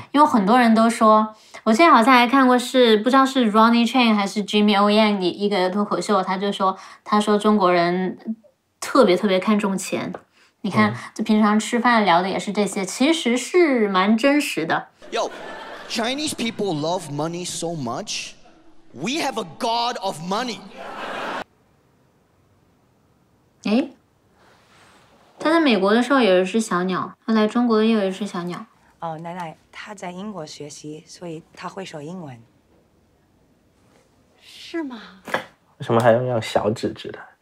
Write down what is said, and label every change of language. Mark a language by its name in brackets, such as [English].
[Chinese] 因为很多人都说，我现在好像还看过是不知道是 Ronnie Chan 还是 Jimmy O Yang 的一个脱口秀，他说中国人特别特别看重钱，你看就平常吃饭聊的也是这些，其实是蛮真实的。 [English] Yo, Chinese people love money so much, we have a god of money. [Chinese] 哎，他在美国的时候有一只小鸟，他来中国又有一只小鸟。哦，奶奶，她在英国学习，所以她会说英文，是吗？为什么还要用小指指的？